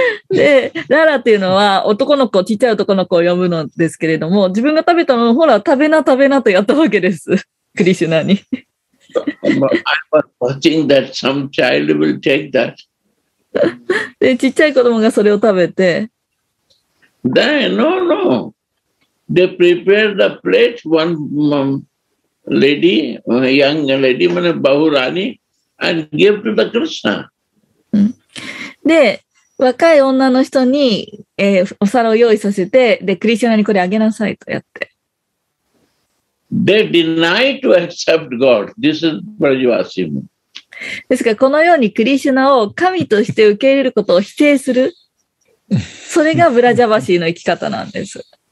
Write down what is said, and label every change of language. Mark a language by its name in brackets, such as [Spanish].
[Japanese] で、ララっていうのは男の子、ちっちゃい男の子を呼ぶのですけれども、自分が食べたのをほら、食べなとやったわけです。クリシュナに。 [English] I was watching that some child will take that. [Japanese] でちっちゃい子供がそれを食べて。 [English] They, no, no. They prepare the plate, one lady, young lady, Bahurani, and give to the Krishna. [Japanese] で、若い女の人に、お皿を用意させて、で、クリシュナにこれあげなさいとやって。 [English] They deny to accept God. This is Vrajavasimu. [Japanese] ですからこのようにクリシュナを神として受け入れることを否定する、それがブラジャバシーの生き方なんです。